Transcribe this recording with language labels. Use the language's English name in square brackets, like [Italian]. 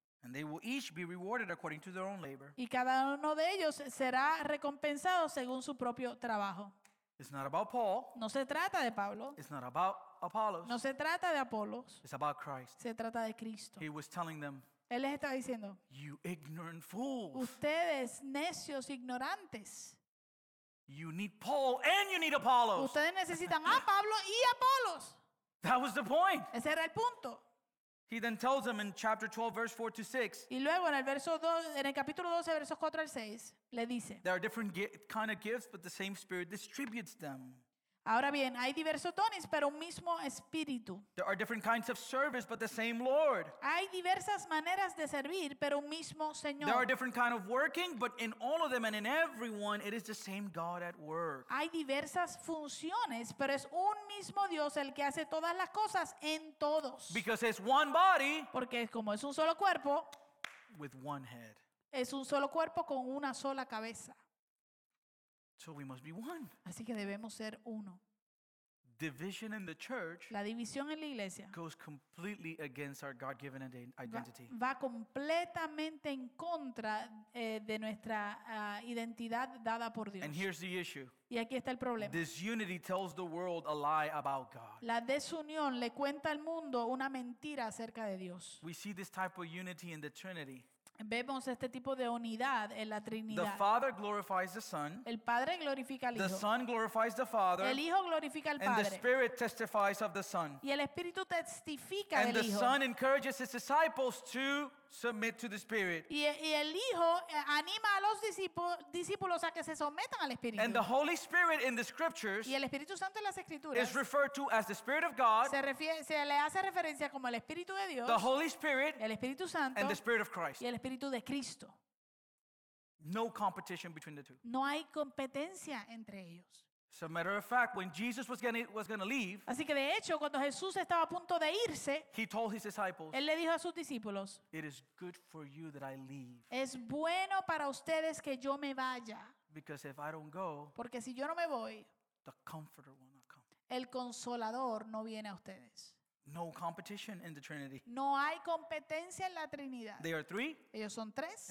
[English] And they will each be rewarded according to their own labor. [Spanish] Y cada uno de ellos será recompensado según su propio trabajo. [English] It's not about Paul. [Spanish] No se trata de Pablo. [English] It's not about Apollos. [Spanish] No se trata de Apolos. [English] It's about Christ. [Spanish] Se trata de Cristo. [English] He was telling them, [Spanish] él les estaba diciendo, [English] you ignorant fools. [Spanish] Ustedes necios ignorantes. [English] You need Paul and you need Apollos. [Spanish] Ustedes necesitan a Pablo y a Apolos. [English] That was the point. [Spanish] Ese era el punto. [English] He then tells them in chapter 12, verse 4 to 6. [Spanish] Y luego en el verso 2, en el capítulo 12, versos 4 al 6, le dice. [English] There are different kind of gifts, but the same Spirit distributes them. [Spanish] Ahora bien, hay diversos dones, pero un mismo espíritu. [English] There are different kinds of service, but the same Lord. [Spanish] Hay diversas maneras de servir, pero un mismo Señor. [English] There are different kinds of working, but in all of them and in everyone, it is the same God at work. [Spanish] Hay diversas funciones, pero es un mismo Dios el que hace todas las cosas en todos. [English] Because it's one body. [Spanish] Porque como es un solo cuerpo. [English] With one head. [Spanish] Es un solo cuerpo con una sola cabeza. [English] So we must be one. [Spanish] Así que debemos ser uno. [English] Division in the church. [Spanish] La división en la iglesia. [English] Goes completely against our God-given identity. [Spanish] Va completamente en contra de nuestra identidad dada por Dios. [English] And here's the issue. [Spanish] Y aquí está el problema. [English] Disunity tells the world a lie about God. [Spanish] La desunión le cuenta al mundo una mentira acerca de Dios. [English] We see this type of unity in the Trinity. [Spanish] Vemos este tipo de unidad en la Trinidad. [English] The Father glorifies the Son. [Spanish] El Padre glorifica al Hijo. [English] The Son glorifies the Father. [Spanish] El Hijo glorifica al Padre. [English] And the Spirit testifies of the Son. [Spanish] Y el Espíritu testifica del Hijo. [English] And the Son encourages his disciples to submit to the Spirit. [Spanish] Y el Hijo anima a los discípulos a que se sometan al Espíritu. [English] And the Holy Spirit in the Scriptures. [Spanish] Y el Espíritu Santo en las Escrituras. [English] Is referred to as the Spirit of God. [Spanish] Se le hace referencia como el Espíritu de Dios. [English] The Holy Spirit. [Spanish] El Espíritu Santo. [English] And the Spirit of Christ. [Spanish] Y el Espíritu de Cristo. [English] No competition between the two. [Spanish] No hay competencia entre ellos. [English] As a matter of fact, when Jesus was going to leave. [Spanish] Así que de hecho, cuando Jesús estaba a punto de irse. [English] He told his disciples. [Spanish] Él le dijo a sus discípulos. [English] It is good for you that I leave. [Spanish] Es bueno para ustedes que yo me vaya. [English] Because if I don't go. [Spanish] Porque si yo no me voy. [English] The Comforter will not come. [Spanish] El Consolador no viene a ustedes. [English] No competition in the Trinity. [Spanish] No hay competencia en la Trinidad. [English] They are three. [Spanish] Ellos son tres.